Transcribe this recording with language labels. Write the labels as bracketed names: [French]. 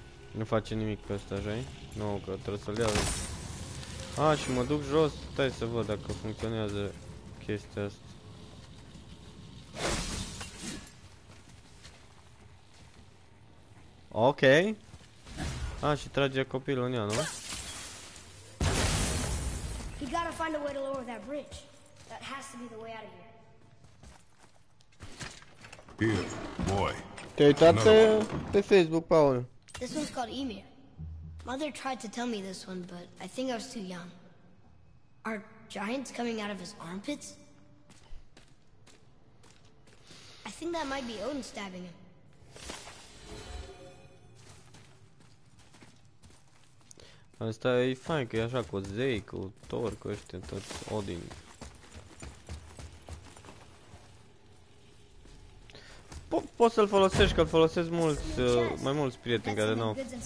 [Romanian] Nu face nimic pe ăsta, așa-i? Nu, că trebuie să-l iau. A, și mă duc jos, stai să văd dacă funcționează chestia asta. Ok. Ah, și trage copilul în ea, nu? [English] He gotta find a way to lower that bridge. That has to be the way out of here. Here, boy. [Romanian] Te-ai uitat pe Facebook, Paul? [English] This one's called Emir. Mother tried to tell me this one, but I think I was too young. Are giants coming out of his armpits? I think that might be Odin stabbing him. [Romanian] Asta e fain, că e așa cu zei, cu Thor, cu ăștia, tot Odin. Poți să-l folosești, că-l folosesc mulți, mai mulți prieteni care n-au.